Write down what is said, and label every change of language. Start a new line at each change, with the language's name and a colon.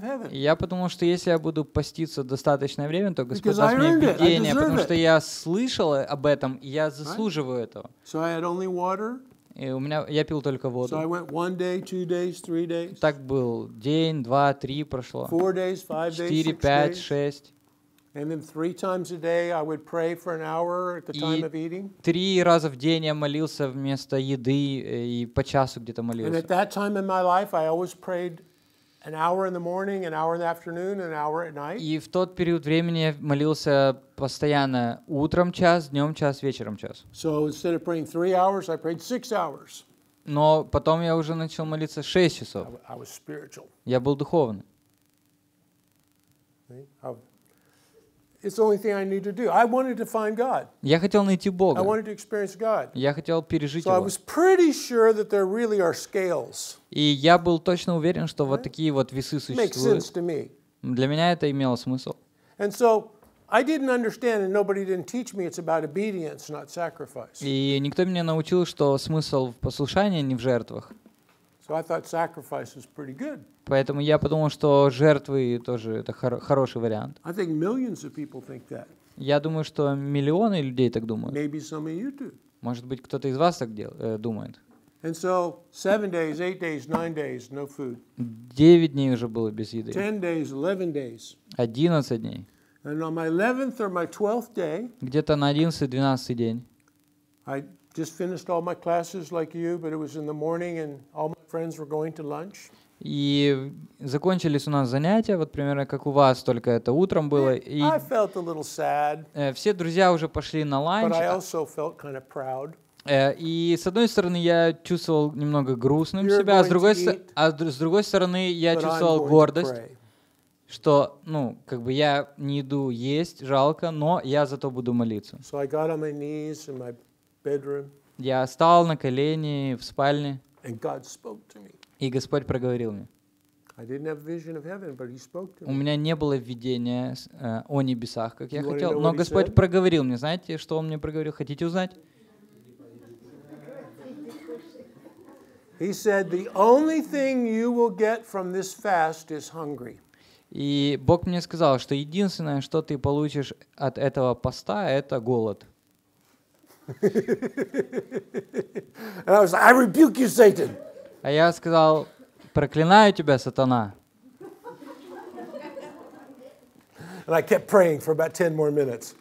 Russian: И я подумал, что если я буду поститься достаточное время, то Господь даст мне видение, потому что я слышал об этом, и я заслуживаю этого.
English: So I had only water.
Russian: И у меня, я пил только воду.
English: So I went one day, two days, three days.
Russian: Так был день, два, три прошло.
English: Four days, five days,
Russian: четыре, пять, шесть.
English: And then three times a day I would pray for an hour at the time of eating.
Russian: И три раза в день я молился вместо еды и по часу где-то молился.
English: And at that time in my life I always prayed an hour in the morning, an hour in the afternoon, an hour at night.
Russian: И в тот период времени я молился постоянно утром час, днем час, вечером час.
English: So instead of praying 3 hours, I prayed 6 hours.
Russian: Но потом я уже начал молиться 6 часов.
English: I was spiritual.
Russian: Я был духовный.
English: It's the only thing I need to do. I wanted to find God.
Russian: Я хотел найти Бога.
English: I wanted to experience God.
Russian: Я хотел пережить Его.
English: So I was pretty sure that there really are scales.
Russian: И я был точно уверен, что вот такие вот весы существуют.
English: Makes sense to me.
Russian: Для меня это имело смысл.
English: And so I didn't understand, and nobody didn't teach me. It's about obedience, not sacrifice.
Russian: И никто меня научил, что смысл в послушании, не в жертвах.
English: So I thought sacrifice was pretty good.
Russian: Поэтому я подумал, что жертвы тоже это хороший вариант.
English: I think millions of people think that.
Russian: Я думаю, что миллионы людей так думают.
English: Maybe some of you do.
Russian: Может быть, кто-то из вас так думает.
English: And so 7 days, 8 days, 9 days, no food.
Russian: 9 дней уже было без еды.
English: 10 days, 11 days.
Russian: 11 дней.
English: And on my 11th or my 12th day.
Russian: Где-то на 11-12 день.
English: I just finished all my classes like you, but it was in the morning, and all my friends were going to lunch.
Russian: И закончились у нас занятия, вот примерно как у вас, только это утром было. И
English: I felt a little sad.
Russian: Все друзья уже пошли на ланч.
English: But I also felt kind of proud.
Russian: И с одной стороны, я чувствовал немного грустным
English: You're
Russian: себя, с другой стороны, я чувствовал гордость, что, ну, как бы я не иду есть, жалко, но я зато буду молиться.
English: So I got on my knees in my bedroom.
Russian: Я встал на колени в спальне.
English: And God spoke to me.
Russian: И Господь проговорил мне.
English: I didn't have a vision of heaven, but he spoke to me.
Russian: У меня не было видения о небесах, как я хотел. Но Господь проговорил мне. Знаете, что Он мне проговорил? Хотите узнать?
English: He said, the only thing you will get from this fast is hungry.
Russian: И Бог мне сказал, что единственное, что ты получишь от этого поста, это голод.
English: And I was like, I rebuke you, Satan.
Russian: А я сказал, проклинаю тебя, сатана.
English: And I kept praying for about 10 more minutes.